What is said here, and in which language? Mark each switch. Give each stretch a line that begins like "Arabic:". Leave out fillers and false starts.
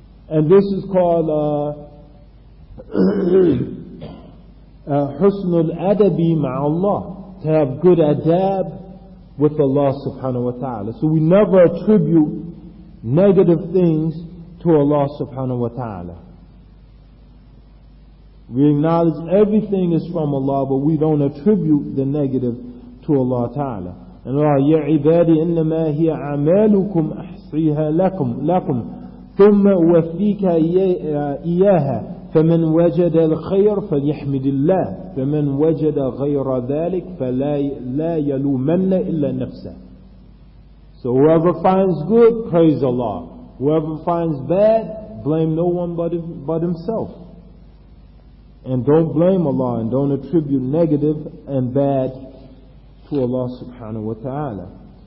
English: And this is called
Arabic: حسن الأدب مع الله,
English: to have good adab with Allah subhanahu wa ta'ala. So we never attribute negative things to Allah subhanahu wa ta'ala. We acknowledge everything is from Allah, but we don't attribute the negative to Allah ta'ala.
Arabic: And Allah, يَا عِبَادِ إِنَّمَا هِيَ عَمَالُكُمْ أَحْصِيهَا لَكُمْ ثُمَّ وَفِّيكَ إِيَاهَا فَمَنْ وَجَدَ الْخَيْرَ فَلْيَحْمِدِ اللَّهِ فَمَنْ وَجَدَ غَيْرَ ذَلِكَ فَلَا يَلُومَنَّ إِلَّا نَفْسَهِ
English: So whoever finds good, praise Allah. Whoever finds bad, blame no one but himself. And don't blame Allah, and don't attribute negative and bad to Allah subhanahu wa ta'ala.